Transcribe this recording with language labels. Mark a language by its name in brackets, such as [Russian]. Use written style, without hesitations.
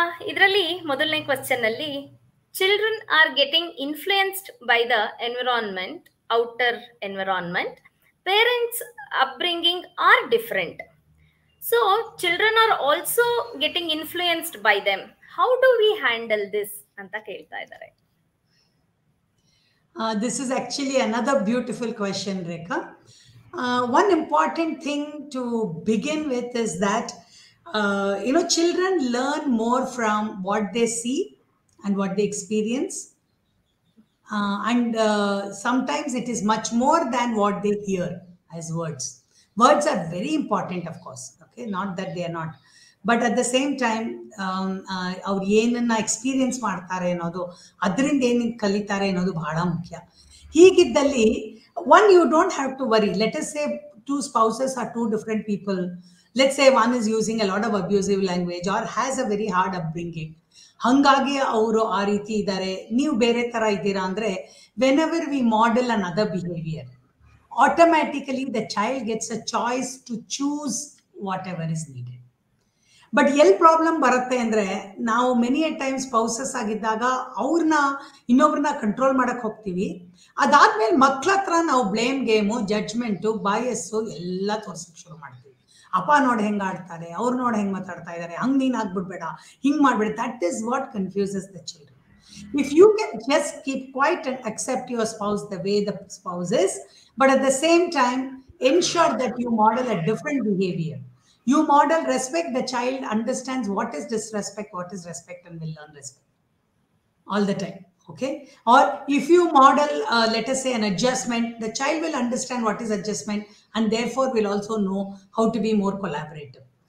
[Kannada] ಇದರಲ್ಲಿ ಮೊದಲನೇ ಕ್ವೆಶ್ಚನ್ ಅಲ್ಲಿ [English] Children are getting influenced by the environment, outer environment, parents upbringing are different. So children are also getting influenced by them, how do we handle this [Kannada] ಅಂತ ಕೇಳ್ತಾ ಇದ್ದಾರೆ. [English] This is actually another beautiful question, Rekha. One important thing to begin with is that, you know, children learn more from what they see and what they experience. Sometimes it is much more than what they hear as words. Words are very important, of course. Okay, not that they are not. But at the same time, [Kannada] ಅವ್ರು ಏನನ್ನ experience ಮಾಡ್ತಾರೆ ಅನ್ನೋದು, ಅದರಿಂದ ಏನೇನು ಕಲಿತಾರೆ ಅನ್ನೋದು ಬಹಳ ಮುಖ್ಯ. ಹೀಗಿದ್ದಲ್ಲಿ [English] One, you don't have to worry. Let us say two spouses are two different people. Let say one is using a lot of abusive language or has a very hard upbringing, [Kannada] ಹಂಗಾಗಿ ಅವರು ಆ ರೀತಿ ಇದ್ದಾರೆ, ನೀವು ಬೇರೆ ಥರ ಇದ್ದೀರಾ ಅಂದರೆ, [English] Whenever we model another behaviour, automatically the child gets a choice to choose whatever is needed. [Kannada] But ಎಲ್ಲಿ ಪ್ರಾಬ್ಲಮ್ ಬರುತ್ತೆ ಅಂದರೆ, ನಾವು [English] many a times [Kannada] ಸ್ಪೌಸಸ್ ಆಗಿದ್ದಾಗ ಅವ್ರನ್ನ ಇನ್ನೊಬ್ರನ್ನ ಕಂಟ್ರೋಲ್ ಮಾಡೋಕ್ಕೆ ಹೋಗ್ತೀವಿ, ಅದಾದ್ಮೇಲೆ ಮಕ್ಳ ಹತ್ರ ನಾವು ಬ್ಲೇಮ್ ಗೇಮು, ಜಡ್ಜ್ಮೆಂಟು, ಬಯಸ್ಸು ಎಲ್ಲ ತೋರ್ಸೋಕ್ಕೆ ಶುರು ಮಾಡ್ತೀವಿ. ಅಪ್ಪ ನೋಡಿ ಹೆಂಗೆ ಆಡ್ತಾರೆ, ಅವ್ರು ನೋಡಿ ಹೆಂಗೆ ಮಾತಾಡ್ತಾ ಇದ್ದಾರೆ, ಹಂಗೆ ನೀನು ಆಗ್ಬಿಡ್ಬೇಡ, ಹಿಂಗೆ ಮಾಡ್ಬೇಡ, [English] That is what confuses the children. If you can just keep quiet and accept your spouse the way the spouse is, but at the same time ensure that you model a different behaviour. You model respect, the child understands what is disrespect, and will learn respect all the time, okay? Or if you model, let us say, an adjustment, the child will understand what is adjustment and therefore will also know how to be more collaborative.